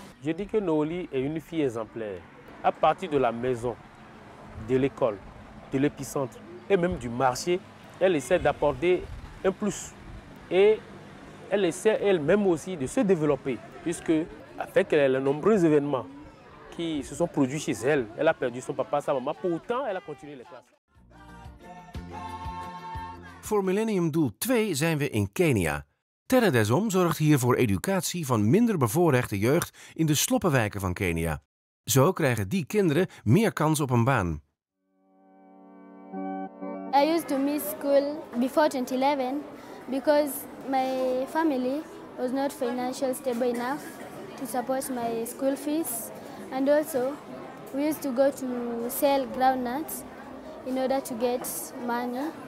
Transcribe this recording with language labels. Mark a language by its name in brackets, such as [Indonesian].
[French] Je dis que Noli est une fille exemplaire. À partir de la maison, de l'école, de l'épicentre et même du marché, elle essaie d'apporter un plus. Et elle essaie elle-même aussi de se développer, puisque avec les nombreux événements qui se sont produits chez elle, elle a perdu son papa, sa maman, pourtant elle a continué les classes. [Dutch] Voor Millennium Doel 2 zijn we in Kenia. Terre des Hommes zorgt hier voor educatie van minder bevoorrechte jeugd in de sloppenwijken van Kenia. Zo krijgen die kinderen meer kans op een baan. [English] I used to miss school before 2011 because my family was not financially stable enough to support my school fees. And also we used to go to sell groundnuts in order to get money.